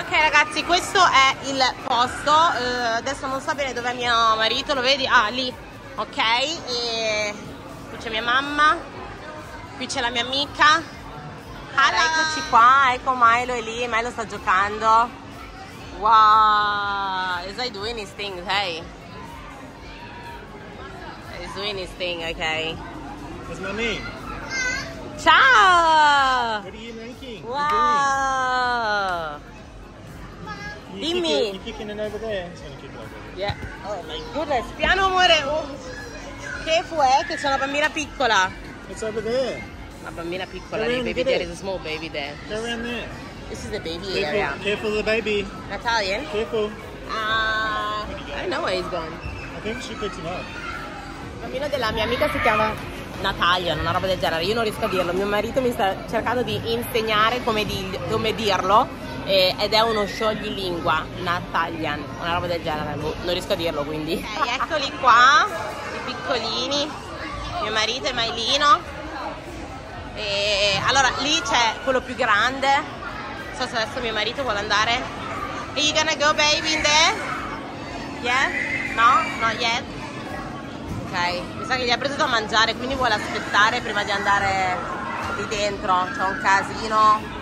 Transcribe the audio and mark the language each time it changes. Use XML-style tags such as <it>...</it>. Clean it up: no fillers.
<it>Ok ragazzi, questo è il posto, adesso non so bene dov'è mio marito, lo vedi? Ah, lì, ok, e qui c'è mia mamma, qui c'è la mia amica. Allora, eccoci qua, ecco Milo è lì, Milo sta giocando.</it> <en>Wow, is I doing his thing, ok? He's doing his thing, ok? What's my name?</en> <it>Ciao!</it> <en>What are you making? Wow! You</en> <it>dimmi!</it> <en>You kicking it over there? Kick it over there. Yeah. Oh my goodness!</en> <it>Piano amore!</it> <en>Oh.</en> <it>Che fu, che c'è una bambina piccola!</it> <en>It's over there!</en> <it>Una bambina piccola, lì,</it> <en>baby there, there's a small baby there. Go around there. This is the baby careful, area. Careful of the baby. Italian? Careful. I don't know where he's gone. I think she picked him up.</en> <it>Bambino della mia amica si chiama Natalia, una roba del genere. Io non riesco a dirlo, mio marito mi sta cercando di insegnare come dirlo, ed è uno scioglilingua, Natalian, una roba del genere, non riesco a dirlo, quindi. Okay, eccoli qua, i piccolini, mio marito e Mailino. E allora lì c'è quello più grande, non so se adesso mio marito vuole andare.</it> <en>Are you gonna go baby in there? Yeah? No? Not yet?</en> <it>Ok, mi sa che gli ha preso da mangiare, quindi vuole aspettare prima di andare lì dentro, c'è un casino.</it>